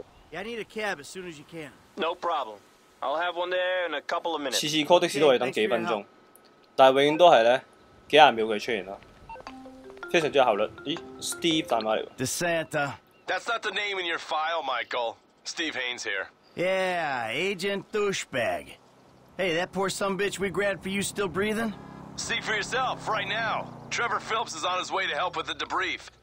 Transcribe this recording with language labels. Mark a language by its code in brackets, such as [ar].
[en] Yeah, I need a cab as soon as you can. No problem. I'll have one there in a couple of minutes. [yue] 次次 call 的士都系等几分钟，但系永远都系咧几廿秒佢出现啦，非常之有效率。咦，Steve 打埋嚟喎。 [en] DeSanta. That's not the name in your file, Michael. Steve Haynes here. Yeah, Agent Douchebag. Hey, that poor sumbitch we grabbed for you still breathing? See for yourself, right now. Trevor Phillips is on his way to help with the debrief.